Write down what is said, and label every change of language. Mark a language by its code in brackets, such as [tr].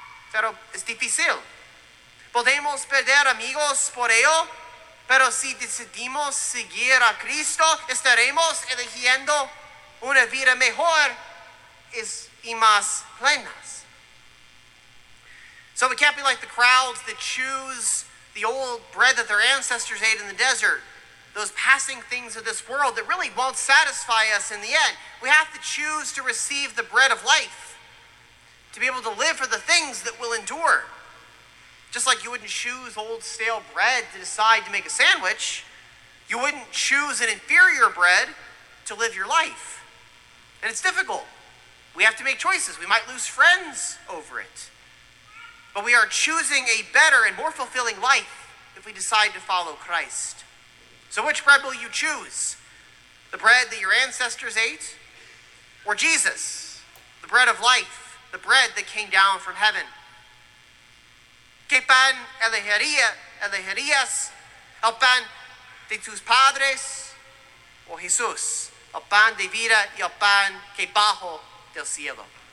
[es] Pero es difícil. Podemos perder amigos por ello, pero si decidimos seguir a Cristo, estaremos eligiendo una vida mejor y más plena. [en] So we can't be like the crowds that choose the old bread that their ancestors ate in the desert. those passing things of this world that really won't satisfy us in the end. We have to choose to receive the bread of life, to be able to live for the things that will endure. Just like you wouldn't choose old stale bread to decide to make a sandwich, you wouldn't choose an inferior bread to live your life. And it's difficult. We have to make choices. We might lose friends over it. But we are choosing a better and more fulfilling life if we decide to follow Christ. So which bread will you choose? The bread that your ancestors ate? Or Jesus, the bread of life, the bread that came down from heaven? [es] ¿Qué pan elegirías? ¿El pan de tus padres o Jesús? ¿El pan de vida y el pan que bajo del cielo?